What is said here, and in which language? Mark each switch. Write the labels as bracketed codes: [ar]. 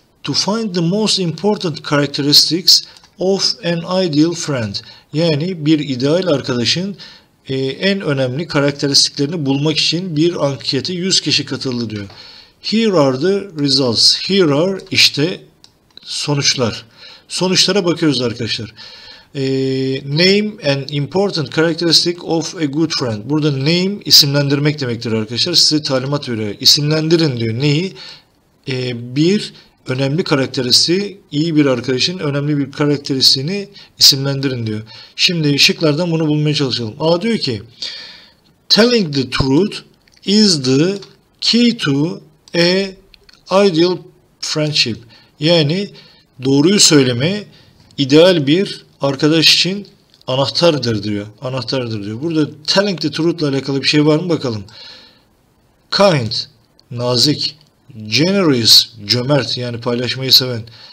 [en] To find the most important characteristics of an ideal friend. [tr] Yani bir ideal arkadaşın en önemli karakteristiklerini bulmak için bir ankete 100 kişi katıldı diyor. [en] Here are the results. Here are [tr] işte sonuçlar. Sonuçlara bakıyoruz arkadaşlar. [en] Name an important characteristic of a good friend. [tr] Burada name isimlendirmek demektir arkadaşlar. Size talimat veriyor. İsimlendirin diyor. Neyi? Bir önemli karakteristiği, iyi bir arkadaşın önemli bir karakteristiğini isimlendirin diyor. Şimdi şıklardan bunu bulmaya çalışalım. A diyor ki [en] telling the truth is the key to a ideal friendship. [tr] Yani doğruyu söyleme ideal bir arkadaş için anahtardır diyor. Anahtardır diyor. Burada telling the truth ile alakalı bir şey var mı bakalım. Kind, nazik. Generous, cömert, yani paylaşmayı seven.